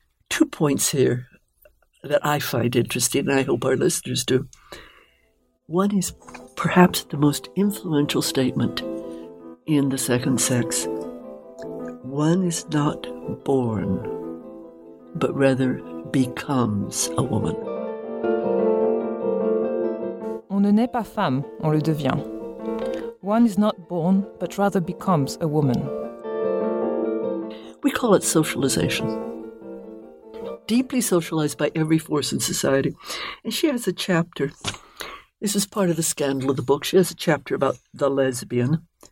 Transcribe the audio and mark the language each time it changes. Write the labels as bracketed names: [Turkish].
[English] 2 points here that I find interesting, and I hope our listeners do. One is perhaps the most influential statement in The Second Sex. One is not born, but rather becomes a woman. [French] On ne naît pas femme, on le devient. [English] One is not born, but rather becomes a woman. We call it socialization. Deeply socialized by every force in society. And she has a chapter. This is part of the scandal of the book. She has a chapter about the lesbian.